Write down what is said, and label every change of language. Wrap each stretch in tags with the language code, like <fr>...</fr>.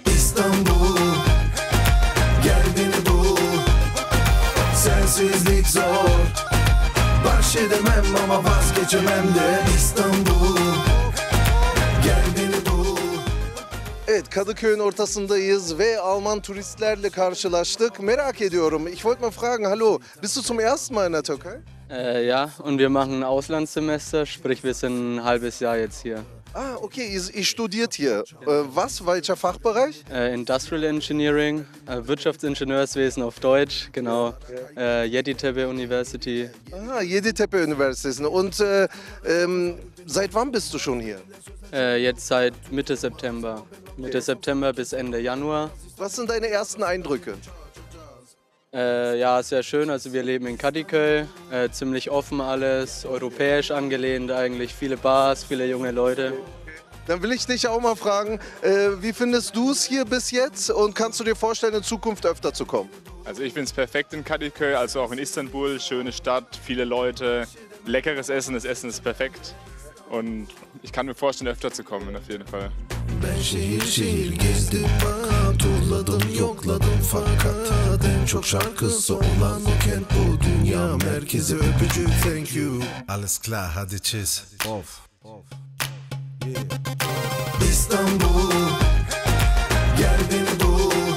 <tr>İstanbul, gel beni bul. Sensizlik zor, baş edemem ama vazgeçemem de. İstanbul, gel beni bul. Evet, Kadıköy'ün ortasındayız ve Alman turistlerle karşılaştık. Merak ediyorum.</tr> <de>Ich wollte mal fragen, hallo, bist du zum ersten Mal in der Türkei? Ja, und wir machen Auslandssemester, sprich wir sind ein halbes Jahr jetzt hier. Ah, okay, ihr studiert hier. Was? Welcher Fachbereich?</de> <en>Industrial Engineering,</en> <de>Wirtschaftsingenieurswesen auf Deutsch, genau. Yeditepe University. Ah, Yeditepe University. Und seit wann bist du schon hier? Jetzt seit Mitte September. Mitte September bis Ende Januar. Was sind deine ersten Eindrücke? Ja, sehr schön. Also wir leben in Kadıköy, ziemlich offen alles, europäisch angelehnt eigentlich, viele Bars, viele junge Leute. Dann will ich dich auch mal fragen, wie findest du es hier bis jetzt und kannst du dir vorstellen, in Zukunft öfter zu kommen? Also ich finde es perfekt in Kadıköy, also auch in Istanbul, schöne Stadt, viele Leute, leckeres Essen, das Essen ist perfekt und ich kann mir vorstellen, öfter zu kommen auf jeden Fall.</de> <tr>Ben şehir şehir gezdim, bakan turladım, yokladım fakat en çok şarkısı olan bu kent, bu dünya merkezi, öpücük,</tr> <en>thank you.</en> <de>Alles klar,</de> <tr>hadi çiz. Of, of. Yeah. İstanbul, gel beni bul.</tr>